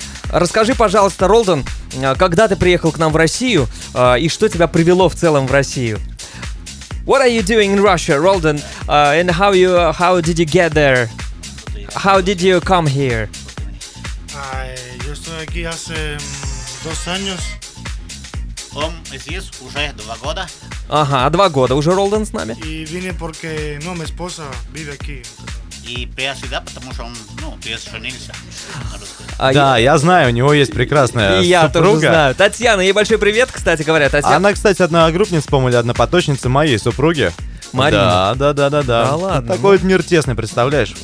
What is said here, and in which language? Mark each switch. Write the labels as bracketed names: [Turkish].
[Russian] Расскажи, пожалуйста, Ролдон, когда ты приехал к нам в Россию и что тебя привело в целом в Россию? [English] What are you doing in Russia, Ролдон? And how did you get there? How did you come here? [Spanish] Yo estoy aquí hace dos años. [Russian] Он здесь уже два года. Ага, два года уже Ролдон с нами. [Spanish] И vine porque no mi esposa vive aquí. [Russian] И приехал сюда, потому что он, ну, женился на русском. Да, я знаю, у него есть прекрасная и супруга. Я тоже знаю. Татьяна, ей большой привет, кстати говоря, Татьяна. Она, кстати, одногруппница, по-моему, или однопоточница моей супруги. Марина. Да. Да ладно. Такой вот мир тесный, представляешь?